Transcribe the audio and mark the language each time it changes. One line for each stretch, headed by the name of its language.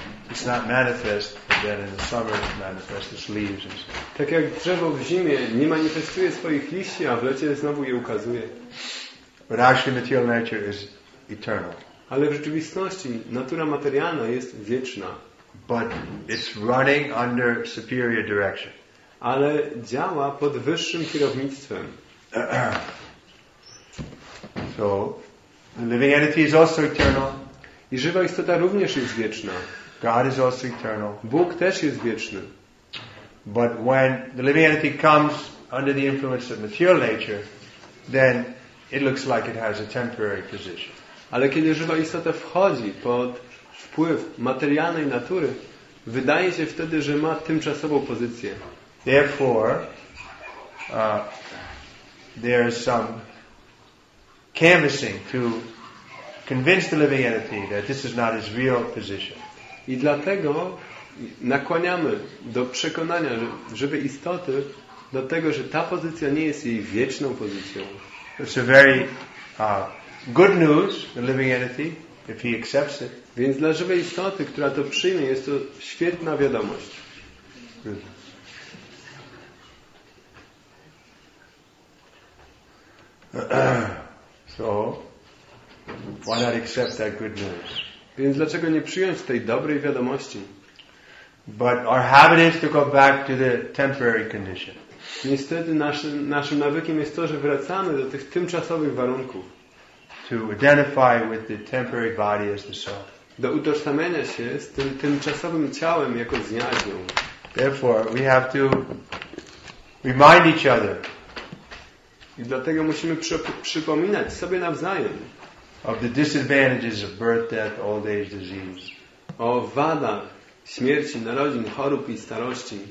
English: It's not manifest, but then in the summer it manifests its leaves and stuff.
Polish: Tak jak drzewo w zimie nie manifestuje swoich liści, a w lecie znowu je ukazuje.
English: But actually material nature is eternal.
Polish: Ale w rzeczywistości natura materialna jest wieczna.
English: But it's running under superior direction.
Polish: Ale działa pod wyższym kierownictwem.
English: So, the living entity is also eternal.
Polish: I żywa istota również jest wieczna.
English: God is also eternal.
Polish: Bóg też jest wieczny.
English: But when the living entity comes under the influence of material nature, then it looks like it has a temporary position.
Polish: Ale kiedy żywa istota wchodzi pod wpływ materialnej natury, wydaje się wtedy, że ma tymczasową pozycję.
English: Therefore, there is some canvassing to convince the living entity that this is not his real position.
Polish: I dlatego nakłaniamy do przekonania żywej istoty do tego, że ta pozycja nie jest jej wieczną pozycją.
English: It's a very good news, the living entity, if he accepts it.
Polish: Więc dla żywej istoty, która to przyjmie, jest to świetna wiadomość.
English: So, why not accept that good news?
Polish: Więc dlaczego nie przyjąć tej dobrej wiadomości?
English: But our habit is to go back to the temporary condition.
Polish: Niestety naszym nawykiem jest to, że wracamy do tych tymczasowych warunków.
English: To identify with the temporary body as the self.
Polish: Do utożsamiania się z tym tymczasowym ciałem jako z jaźnią.
English: Therefore, we have to remind each other.
Polish: I dlatego musimy przypominać sobie nawzajem.
English: Of the disadvantages of birth, death, old age, disease.
Polish: O wadach śmierci, narodzin, chorób i starości.